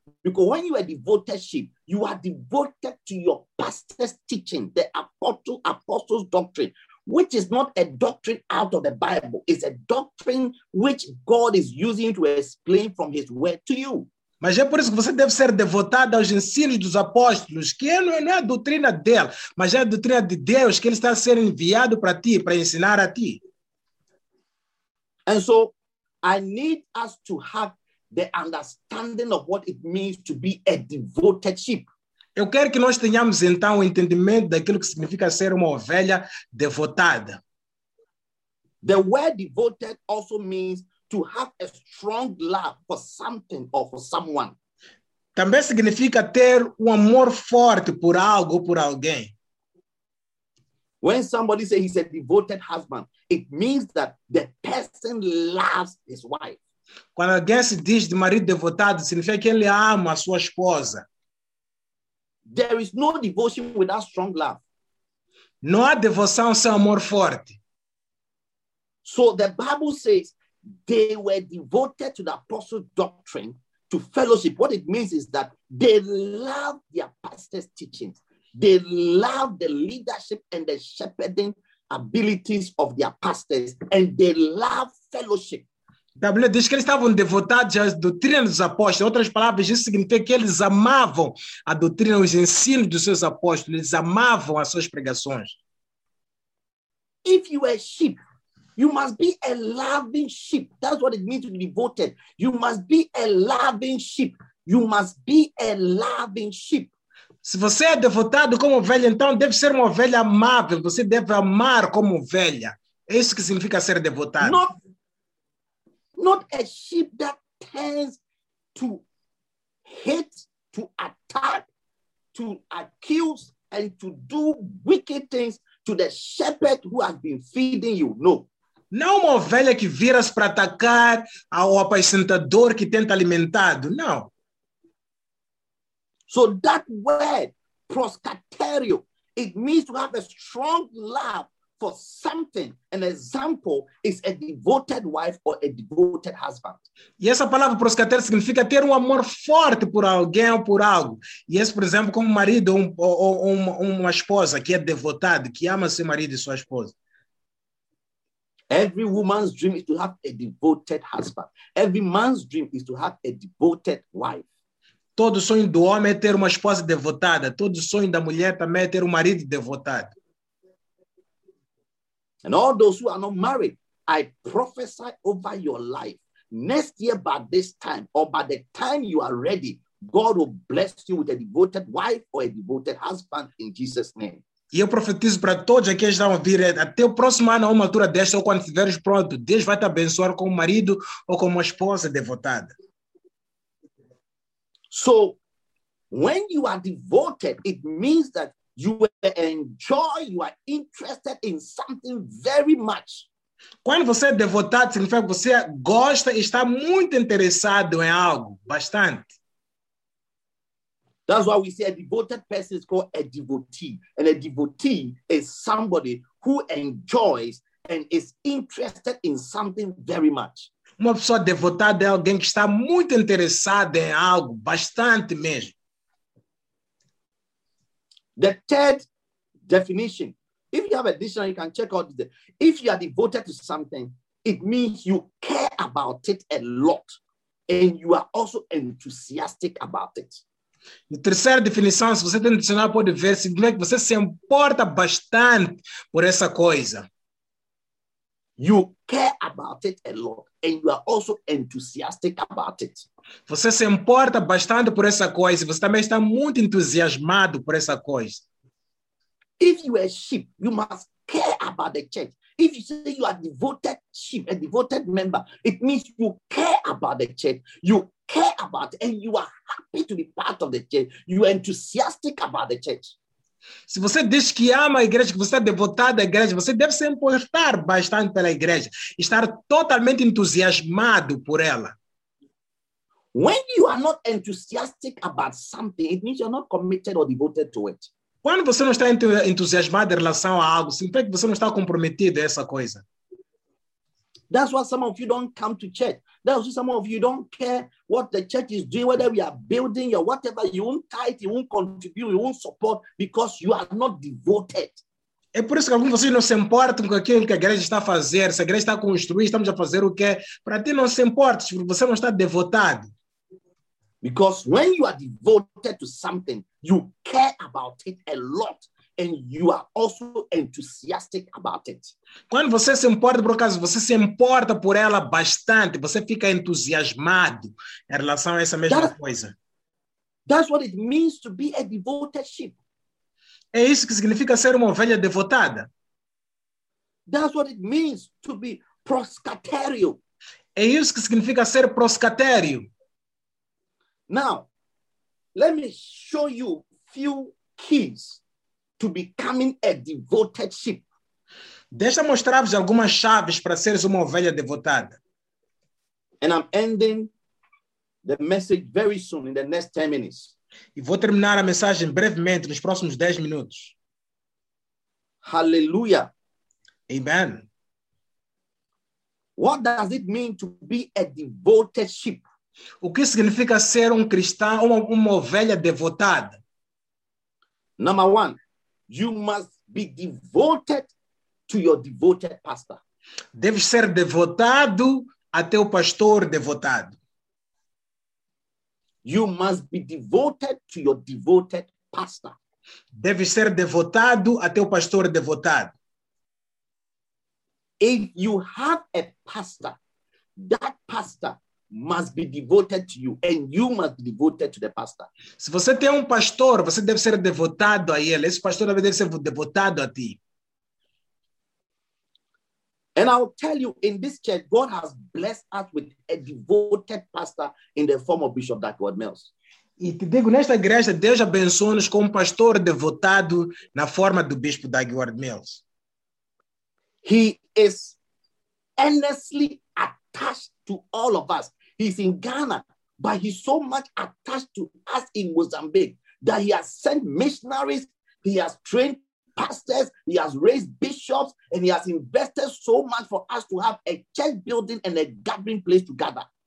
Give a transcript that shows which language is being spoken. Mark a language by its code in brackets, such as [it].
[en] Because when you are a devoted sheep, you are devoted to your pastor's teaching, the apostles' doctrine, which is not a doctrine out of the Bible. It's a doctrine which God is using to explain from his word to you. [pt] Mas é por isso que você deve ser devotado aos ensinos dos apóstolos, que não é a doutrina dele, mas é a doutrina de Deus que ele está sendo enviado para ti, para ensinar a ti. [en] And so, I need us to have the understanding of what it means to be a devoted sheep. [pt] Eu quero que nós tenhamos, então, o entendimento daquilo que significa ser uma ovelha devotada. [en] The word devoted also means to have a strong love for something or for someone. [pt] Também significa ter amor forte por algo ou por alguém. [en] When somebody says he's a devoted husband, it means that the person loves his wife. [pt] Quando alguém se diz de marido devotado, significa que ele ama a sua esposa. [en] There is no devotion without strong love. [pt] Não há devoção sem amor forte. [en] So the Bible says they were devoted to the apostles' doctrine, to fellowship. What it means is that they love their pastor's teachings. They love the leadership and the shepherding abilities of their pastors, and they love fellowship. [pt] A Bíblia diz que eles estavam devotados à doutrina dos apóstolos. Em outras palavras, isso significa que eles amavam a doutrina, os ensinos dos seus apóstolos. Eles amavam as suas pregações. [en] If you are sheep, you must be a loving sheep. That's what it means to be devoted. You must be a loving sheep. You must be a loving sheep. [pt] Se você é devotado como ovelha, então deve ser uma ovelha amável. Você deve amar como ovelha. É isso que significa ser devotado. [en] Not a sheep that tends to hit, to attack, to accuse, and to do wicked things to the shepherd who has been feeding you. No. [pt] Não uma ovelha que vira-se para atacar ao apacentador que tenta alimentado. Não. [en] So that word, proskatério, it means to have a strong love for something. An example is a devoted wife or a devoted husband. [pt] E essa palavra proskatério significa ter amor forte por alguém ou por algo. E esse, por exemplo, como marido ou uma esposa que é devotada, que ama seu marido e sua esposa. [en] Every woman's dream is to have a devoted husband. Every man's dream is to have a devoted wife. [pt] Todo sonho do homem é ter uma esposa devotada. Todo sonho da mulher também é ter marido devotado. [en] And all those who are not married, I prophesy over your life. Next year by this time, or by the time you are ready, God will bless you with a devoted wife or a devoted husband in Jesus' name. [pt] E eu profetizo para todos aqueles que estão a vir, até o próximo ano, a uma altura desta, ou quando estiveres pronto, Deus vai te abençoar com um marido ou com uma esposa devotada. [en] So, when you are devoted, it means that you enjoy, you are interested in something very much. [pt] Quando você é devotado, significa que você gosta e está muito interessado em algo, bastante. [en] That's why we say a devoted person is called a devotee. And a devotee is somebody who enjoys and is interested in something very much. [pt] Uma pessoa devotada é alguém que está muito interessada em algo, bastante mesmo. [en] The third definition. If you have a dictionary, you can check out the. If you are devoted to something, it means you care about it a lot. And you are also enthusiastic about it. [pt] E a terceira definição, se você tem um dicionário, pode ver, significa que você se importa bastante por essa coisa. [en] You care about it a lot, and you are also enthusiastic about it. [pt] Você se importa bastante por essa coisa, você também está muito entusiasmado por essa coisa. [en] If you are a sheep, you must care about the church. If you say you are a devoted sheep, a devoted member, it means you care about the church. You care about it, and you are happy to be part of the church. You are enthusiastic about the church. [pt] Se você diz que ama a igreja, que você está devotado à igreja, você deve se importar bastante pela igreja, estar totalmente entusiasmado por ela. [en] When you are not enthusiastic about something, it means you're not committed or devoted to it. [pt] Quando você não está entusiasmado em relação a algo, significa que você não está comprometido a essa coisa. [en] That's why some of you don't come to church. That's why some of you don't care what the church is doing, whether we are building or whatever. You won't tithe, you won't contribute, you won't support because you are not devoted. [pt] É por isso que alguns de vocês não se importam com aquilo que a igreja está a fazer. Se a igreja está a construir, estamos a fazer o quê? Para ti não se importa, porque você não está devotado. [en] Because when you are devoted to something, you care about it a lot. And you are also enthusiastic about it. [pt] Quando você se importa por causa, você se importa por ela bastante. Você fica entusiasmado em relação a essa mesma coisa. [en] That's what it means to be a devoted sheep. [pt] É isso que significa ser uma ovelha devotada. [en] That's what it means to be proskatério. [pt] É isso que significa ser proscatério. [en] Now, let me show you few keys to becoming a devoted sheep. [pt] Deixa eu mostrar-vos algumas chaves para seres uma ovelha devotada. [en] And I'm ending the message very soon in the next 10 minutes. [pt] E vou terminar a mensagem brevemente nos próximos 10 minutos. Hallelujah. Amen. [en] What does it mean to be a devoted sheep? [pt] O que significa ser um cristão ou uma ovelha devotada? [en] Number one, you must be devoted to your devoted pastor. [pt] Deves ser devotado a teu pastor devotado. [en] You must be devoted to your devoted pastor. [pt] Deves ser devotado a teu pastor devotado. [en] If you have a pastor, that pastor must be devoted to you, and you must be devoted to the pastor. [pt] Se você tem pastor, você deve ser devotado a ele. Esse pastor deve ser devotado a ti. [en] And I'll tell you, in this church, God has blessed us with a devoted pastor in the form of Bishop Dagwood Mills. [pt] E te digo, nesta igreja, Deus abençoa-nos com pastor devotado na forma do Bispo Dagwood Mills. [en] He is earnestly attached to all of us. He's in Ghana, but he's so much attached to us in Mozambique that he has sent missionaries, he has trained pastors, he has raised bishops, and he has invested so much for us to have a church building and a gathering place to gather.